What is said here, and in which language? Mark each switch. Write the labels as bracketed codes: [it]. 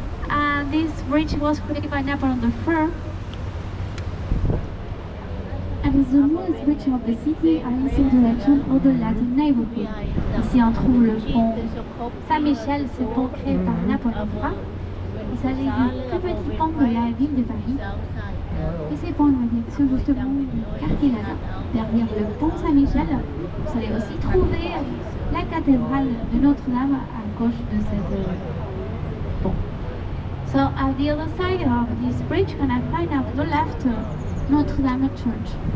[en] And this bridge was created by Napoleon the Third. And it's the newest bridge of the city and it's in the direction of the Latin neighborhood. [fr] Ici on trouve le pont Saint Michel, ce pont créé par Napoleon III. Il s'agit du très petit pont de la ville de Paris. Et ces ponts sont justement du quartier latin, derrière le pont Saint-Michel. Vous allez aussi trouver la cathédrale de Notre-Dame à gauche de cette pont. [en] So at the other side of this bridge, you can find on the left Notre-Dame Church.